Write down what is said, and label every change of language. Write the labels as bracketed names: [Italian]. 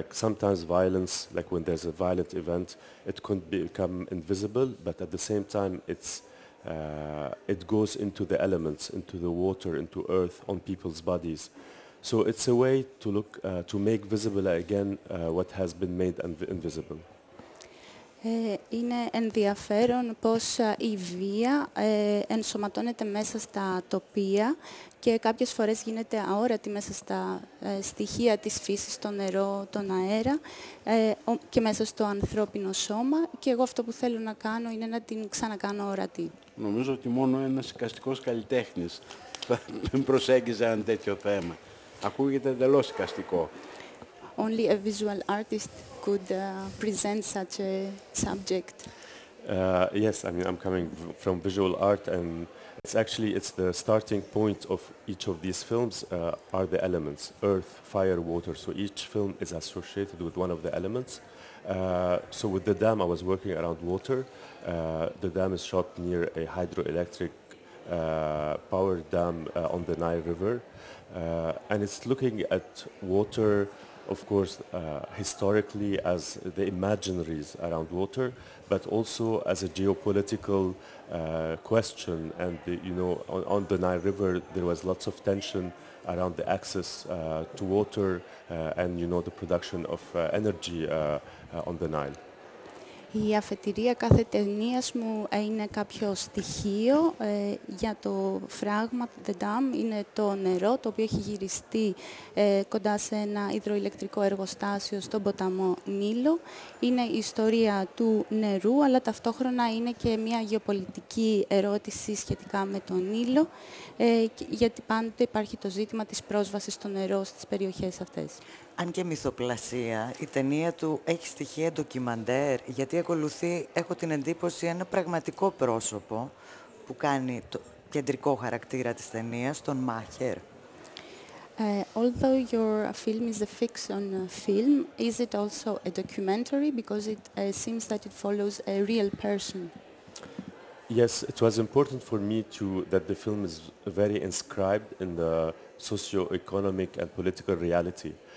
[English] Like sometimes violence, like when there's a violent event, it can become invisible, but at the same time, it goes into the elements, into the water, into earth, on people's bodies. So it's a way to look, to make visible again what has been made invisible. [Greek] Είναι ενδιαφέρον πως η βία ενσωματώνεται μέσα στα τοπία και κάποιες φορές γίνεται αόρατη μέσα στα στοιχεία της φύσης, το νερό, τον αέρα και μέσα στο ανθρώπινο σώμα. Και εγώ αυτό που θέλω να κάνω είναι να την ξανακάνω ορατή. Νομίζω ότι μόνο ένας εικαστικός καλλιτέχνης θα προσέγγιζε ένα τέτοιο θέμα. Ακούγεται εντελώς εικαστικό. [English] Only a visual artist could present such a subject. Yes, I mean, I'm coming from visual art, and it's the starting point of each of these films are the elements, earth, fire, water. So each film is associated with one of the elements. So with The Dam, I was working around water. The dam is shot near a hydroelectric power dam on the Nile River, and it's looking at water, of course, historically as the imaginaries around water, but also as a geopolitical question. And you know, on the Nile River, there was lots of tension around the access to water and you know the production of energy on the Nile. [Greek] Η αφετηρία κάθε ταινίας μου είναι κάποιο στοιχείο για το φράγμα, [English] the dam, [Greek] είναι το νερό το οποίο έχει γυριστεί κοντά σε ένα υδροηλεκτρικό εργοστάσιο στον ποταμό Νείλο. Είναι η ιστορία του νερού, αλλά ταυτόχρονα είναι και μια γεωπολιτική ερώτηση σχετικά με τον Νείλο, γιατί πάντοτε υπάρχει το ζήτημα της πρόσβασης στο νερό στις περιοχές αυτές. Αν και μυθοπλασία, η ταινία του έχει στοιχεία ντοκιμαντέρ, γιατί ακολουθεί, έχω την εντύπωση, ένα πραγματικό πρόσωπο που κάνει το κεντρικό χαρακτήρα της ταινίας, τον Μάχερ. [English] Although your film is a fiction film, is it also a documentary, because it seems that it follows a real person? Yes, it was important for me to that the film is very inscribed in the socio-economic and political reality.